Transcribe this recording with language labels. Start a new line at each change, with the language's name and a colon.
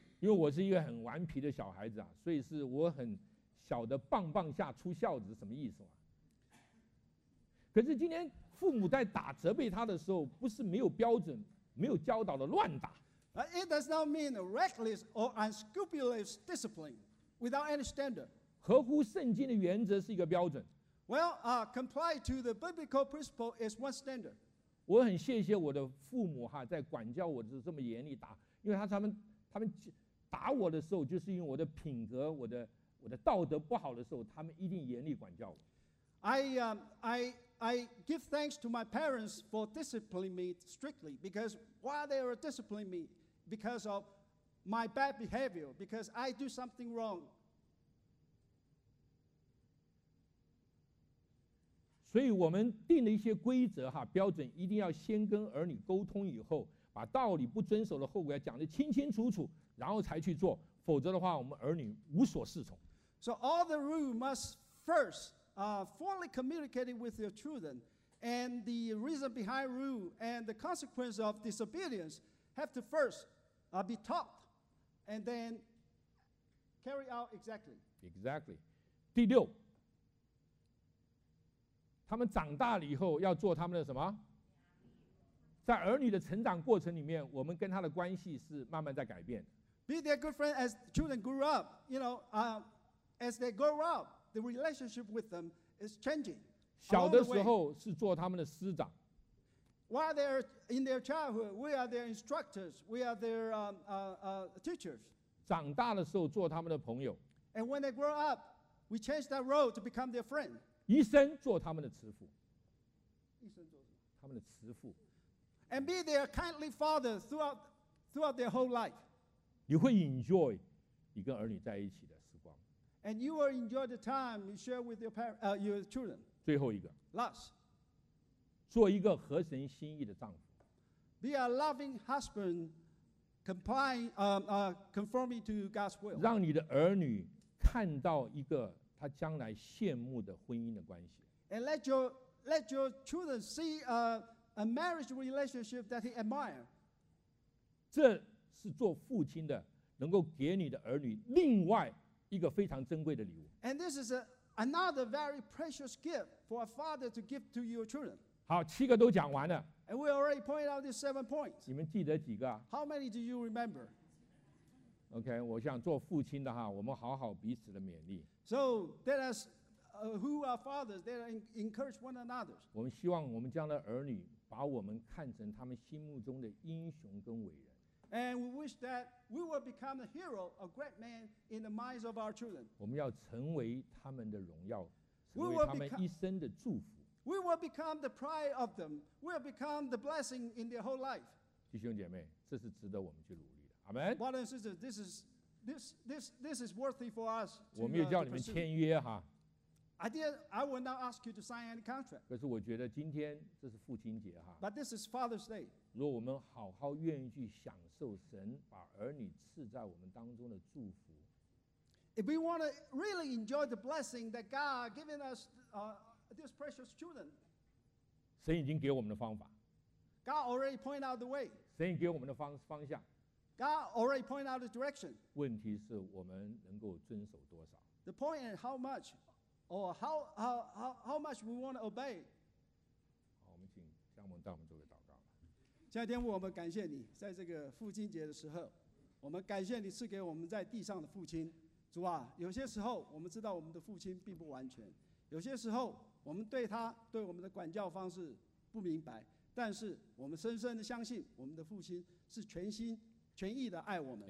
Chinese: 因为我是一个很顽皮的小孩子啊，所以是我很小的棒棒下出孝子，什么意思啊？可是今天父母在打责备他的时候，不是没有标准、没有教导的乱打。
English: It does not mean reckless or unscrupulous discipline without any standard.
Chinese: 合乎圣经的原则是一个标准。
English: Well, comply to the biblical principle is one standard.
Chinese: 我很谢谢我的父母哈，在管教我是这么严厉打，因为他们打我的时候，就是因为我的品格、我的道德不好的时候，他们一定严厉管教我。
English: I give thanks to my parents for disciplining me strictly because while they are disciplining me because of my bad behavior, because I do something wrong.
Chinese: 所以我们定了一些规则哈，标准一定要先跟儿女沟通以后，把道理不遵守的后果要讲得清清楚楚，然后才去做，否则的话我们儿女无所适从。
English: So all the rule must firstfully communicated with your children, and the reason behind rule and the consequence of disobedience have to first be taught and then carry out exactly. Exactly.
Chinese: 第六，他们长大了以后要做他们的什么？在儿女的成长过程里面，我们跟他的关系是慢慢在改变。
English: Be their good friend as children grew up, you know, as they grow up. The relationship with them is changing.
Chinese: 小的时候是做他们的师长。
English: While they're in their childhood, we are their instructors. We are their teachers.
Chinese: 长大的时候做他们的朋友。
English: And when they grow up, we change that role to become their friend.
Chinese: 医生做他们的慈父。医生做他们的慈父。
English: And be their kindly father throughout their whole life.
Chinese: 你会 enjoy 你跟儿女在一起的。
English: And you will enjoy the time you share with your parents, your children.
Chinese: 最后一个
English: Last.
Chinese: 做一个合神心意的丈夫
English: Be a loving husband, conforming to God's will.
Chinese: 让你的儿女看到一个他将来羡慕的婚姻的关系
English: And let your children see a marriage relationship that he admire.
Chinese: 这是做父亲的能够给你的儿女另外一个非常珍贵的礼物。
English: And this is another very precious gift for a father to give to your children.
Chinese: 好，七个都讲完了。
English: And we already pointed out these seven points.
Chinese: 你们记得几个啊？
English: How many do you remember?
Chinese: OK, 我想做父亲的哈，我们好好彼此的勉励。
English: So, let us, who are fathers, let us encourage one another.
Chinese: 我们希望我们将来儿女把我们看成他们心目中的英雄跟伟人。
English: And we wish that we will become a hero, a great man in the minds of our children.
Chinese: 我们要成为他们的荣耀，成为他们一生的祝福。
English: We will become the pride of them. We will become the blessing in their whole life.
Chinese: 弟兄姐妹，这是值得我们去努力的。
English: Amen. Brothers and sisters, this is worthy for us.
Chinese: 我没有叫你们签约哈。
English: I will not ask you to sign any contract.
Chinese: 可是我觉得今天这是父亲节哈。
English: But this is Father's Day.
Chinese: 如果我们好好愿意去享受神把儿女赐在我们当中的祝福
English: If we want to really enjoy the blessing that God has given us these precious children
Chinese: 神已经给我们的方法
English: God already pointed out the way
Chinese: 神已经给我们的 方向
English: God already pointed out the direction
Chinese: 问题是我们能够遵守多少
English: The point is how much or how much we want to obey
Chinese: 好我们请向我们带我们做个祷告今天我们感谢你在这个父亲节的时候我们感谢你赐给我们在地上的父亲主啊有些时候我们知道我们的父亲并不完全有些时候我们对他对我们的管教方式不明白但是我们深深的相信我们的父亲是全心全意的爱我们、